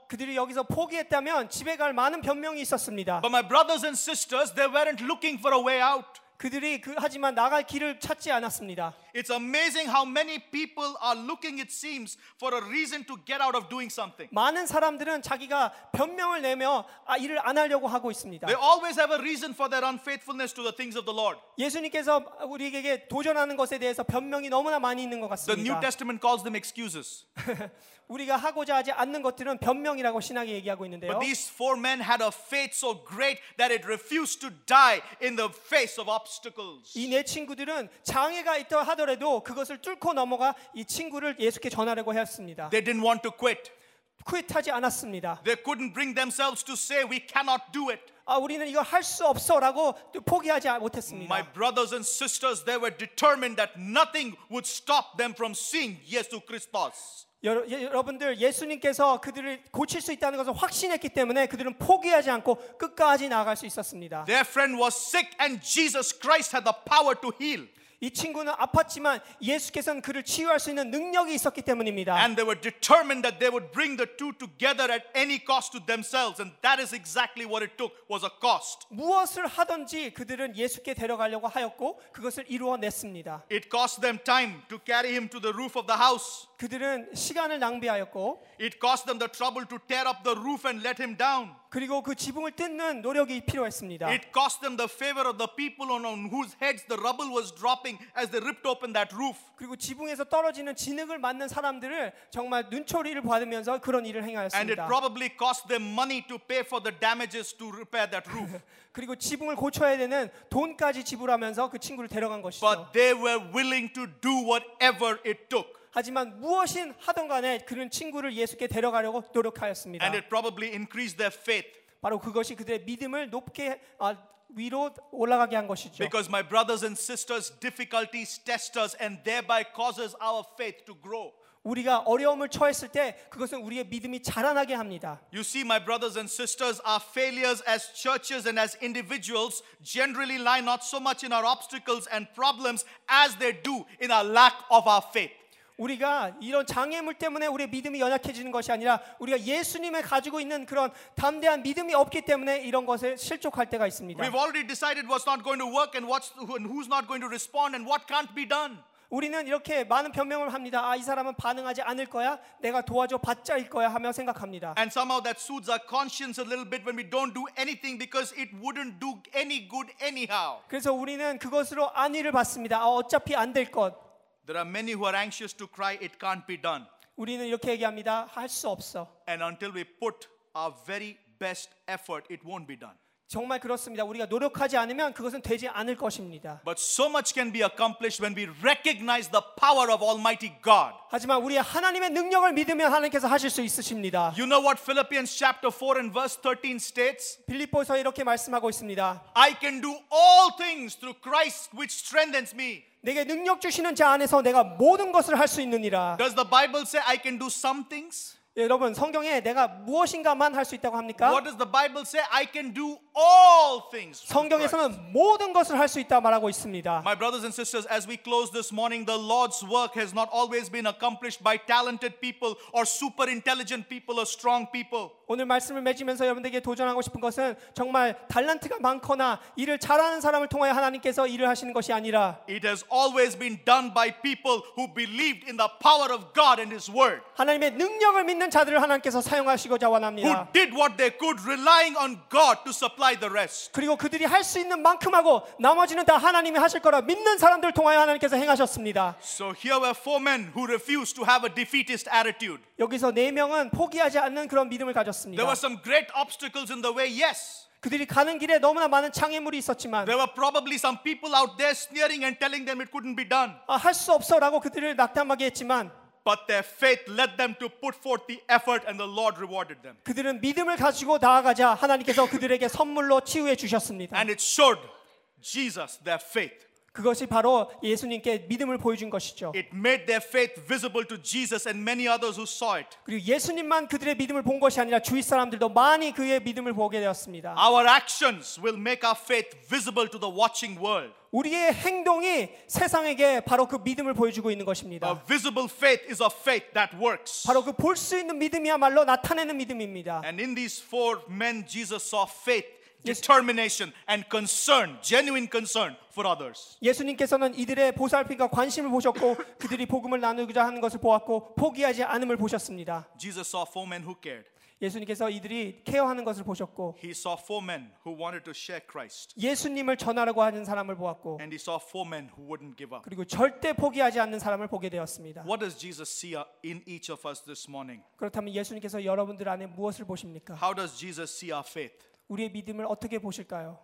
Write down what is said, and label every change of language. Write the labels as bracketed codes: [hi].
[ko] 그들이 여기서 포기했다면 집에 갈 많은 변명이 있었습니다. [en] But my brothers and sisters, they weren't looking for a way out. [ko] 그들이 하지만 나갈 길을 찾지 않았습니다. [en] It's amazing how many people are looking, it seems, for a reason to get out of doing something. [ko] 많은 사람들은 자기가 변명을 내며 일을 안 하려고 하고 있습니다. [en] They always have a reason for their unfaithfulness to the things of the Lord. [ko] 예수님께서 우리에게 도전하는 것에 대해서 변명이 너무나 많이 있는 것 같습니다. [en] The New Testament calls them excuses. [ko] 우리가 하고자 하지 않는 것들은 변명이라고 신학이 얘기하고 있는데요. [en] But these four men had a faith so great that it refused to die in the face of obstacles. [ko] 이 네 친구들은 장애가 있다 하더라도 그것을 뚫고 넘어가 이 친구를 예수께 전하려고 했습니다. [en] They didn't want to quit. [ko] 퀵하지 않았습니다. [en] They couldn't bring themselves to say we cannot do it. [ko] 아, 우리는 이거 할 수 없어라고 포기하지 못했습니다. [en] My brothers and sisters, they were determined that nothing would stop them from seeing Jesus Christ. [ko] 여러분들 예수님께서 그들을 고칠 수 있다는 것을 확신했기 때문에 그들은 포기하지 않고 끝까지 나아갈 수 있었습니다. [en] Their friend was sick and Jesus Christ had the power to heal. [ko] 이 친구는 아팠지만 예수께서는 그를 치유할 수 있는 능력이 있었기 때문입니다. [en] And they were determined that they would bring the two together at any cost to themselves and that is exactly what it took was a cost. [ko] 무엇을 하든지 그들은 예수께 데려가려고 하였고 그것을 이루어냈습니다. [en] It cost them time to carry him to the roof of the house. [ko] 그들은 시간을 낭비하였고 [en] It cost them the trouble to tear up the roof and let him down. [ko] 그리고 그 지붕을 뜯는 노력이 필요했습니다. [en] It cost them the favor of the people on whose heads the rubble was dropping as they ripped open that roof. [ko] 그리고 지붕에서 떨어지는 진흙을 맞는 사람들을 정말 눈초리를 받으면서 그런 일을 행하였습니다. [en] And it probably cost them money to pay for the damages to repair that roof. [ko] 그리고 지붕을 고쳐야 되는 돈까지 지불하면서 그 친구를 데려간 것이죠. [en] But they were willing to do whatever it took. [ko] 하지만 무엇인 하던 간에 그는 친구를 예수께 데려가려고 노력하였습니다. [en] And it probably increased their faith. [ko] 바로 그것이 그들의 믿음을 높게 위로 올라가게 한 것이죠. [en] Because my brothers and sisters, difficulties test us and thereby causes our faith to grow. [ko] 우리가 어려움을 처했을 때 그것은 우리의 믿음이 자라나게 합니다. [en] You see, my brothers and sisters, our failures as churches and as individuals generally lie not so much in our obstacles and problems as they do in our lack of our faith. [ko] 우리가 이런 장애물 때문에 우리의 믿음이 연약해지는 것이 아니라 우리가 예수님의 가지고 있는 그런 담대한 믿음이 없기 때문에 이런 것에 실족할 때가 있습니다. [en] We've already decided what's not going to work and who's not going to respond and what can't be done. [ko] 우리는 이렇게 많은 변명을 합니다. 아, 이 사람은 반응하지 않을 거야. 내가 도와줘 받자일 거야 하며 생각합니다. [en] And somehow that soothes our conscience a little bit when we don't do anything because it wouldn't do any good anyhow. [ko] 그래서 우리는 그것으로 안위를 받습니다. 아, 어차피 안 될 것. [en] There are many who are anxious to cry, it can't be done. [ko] 우리는 이렇게 얘기합니다. 할 수 없어. [en] And until we put our very best effort, it won't be done. [ko] 정말 그렇습니다. 우리가 노력하지 않으면 그것은 되지 않을 것입니다. [en] But so much can be accomplished when we recognize the power of Almighty God. [ko] 하지만 우리 하나님의 능력을 믿으면 하나님께서 하실 수 있으십니다. [en] You know what Philippians chapter 4 and verse 13 states? [ko] 빌립보서 이렇게 말씀하고 있습니다. [en] I can do all things through Christ which strengthens me. [ko] 내게 능력 주시는 자 안에서 내가 모든 것을 할 수 있느니라. [en] Does the Bible say I can do some things? [ko] 여러분 성경에 내가 무엇인가만 할 수 있다고 합니까? [en] What does the Bible say? I can do all things. [ko] 성경에서는 모든 것을 할 수 있다 말하고 있습니다. [en] My brothers and sisters, as we close this morning, the Lord's work has not always been accomplished by talented people or super intelligent people or strong people. [ko] 오늘 말씀을 맺으면서 여러분들에게 도전하고 싶은 것은 정말 탤런트가 많거나 일을 잘하는 사람을 통하여 하나님께서 일을 하시는 것이 아니라 [en] It has always been done by people who believed in the power of God and His word. [ko] 하나님의 능력을 믿는 자들을 하나님께서 사용하시고자 원합니다. [en] Who did what they could relying on God to supply the rest. [ko] 그리고 그들이 할 수 있는 만큼하고 나머지는 다 하나님이 하실 거라 믿는 사람들 통하여 하나님께서 행하셨습니다. [en] So here were four men who refused to have a defeatist attitude. [ko] 여기서 네 명은 포기하지 않는 그런 믿음을 가졌습니다. [en] There were some great obstacles in the way. Yes. [ko] 그들이 가는 길에 너무나 많은 장애물이 있었지만 [en] There were probably some people out there sneering and telling them it couldn't be done. [ko] 아, 할 수 없어라고 그들을 낙담하게 했지만 [en] But their faith led them to put forth the effort and the Lord rewarded them. [ko] 그들은 믿음을 가지고 나아가자 하나님께서 그들에게 선물로 치유해 주셨습니다. [en] And it showed Jesus their faith. [ko] 그것이 바로 예수님께 믿음을 보여준 것이죠. [en] It made their faith visible to Jesus and many others who saw it. [ko] 그리고 예수님만 그들의 믿음을 본 것이 아니라 주위 사람들도 많이 그의 믿음을 보게 되었습니다. [en] Our actions will make our faith visible to the watching world. [ko] 우리의 행동이 세상에게 바로 그 믿음을 보여주고 있는 것입니다. [en] A visible faith is a faith that works. [ko] 바로 그 볼 수 있는 믿음이야말로 나타내는 믿음입니다. [en] And in these four men, Jesus saw faith. Determination and concern, genuine concern for others. [ko] 예수님께서는 이들의 보살핌과 관심을 보셨고 그들이 복음을 나누고자 하는 것을 보았고 포기하지 않음을 보셨습니다. [en] Jesus saw four men who cared. [ko] 예수님께서 이들이 케어하는 것을 보셨고 [en] He saw four men who wanted to share Christ. [ko] 예수님을 전하려고 하는 사람을 보았고 [en] And he saw four men who wouldn't give up. [ko] 그리고 절대 포기하지 않는 사람을 보게 되었습니다. [en] What does Jesus see in each of us this morning? [ko] 그렇다면 예수님께서 여러분들 안에 무엇을 보십니까? [en] How does Jesus see our faith? [ko] 우리의 믿음을 어떻게 보실까요?